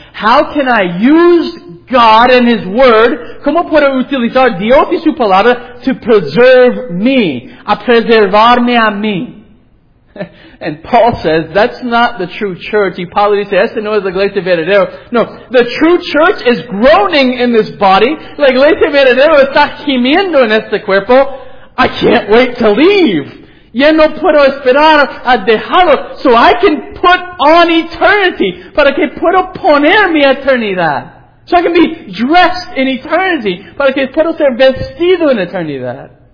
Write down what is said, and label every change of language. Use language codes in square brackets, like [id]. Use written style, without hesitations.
[en] How can I use God and His Word? [es] ¿Cómo puedo utilizar Dios y su palabra [en] to preserve me? [es] A preservarme a mí. [en] And Paul says, that's not the true church. [es] Y Pablo dice, esta no es la iglesia verdadera. [en] No, the true church is groaning in this body. [es] La iglesia verdadera está gimiendo en este cuerpo. [en] I can't wait to leave. [es] Ya no puedo esperar a dejarlo. [en] So I can put on eternity. [es] Para que puedo poner mi eternidad. [en] So I can be dressed in eternity. [es] Para que puedo ser vestido en eternidad.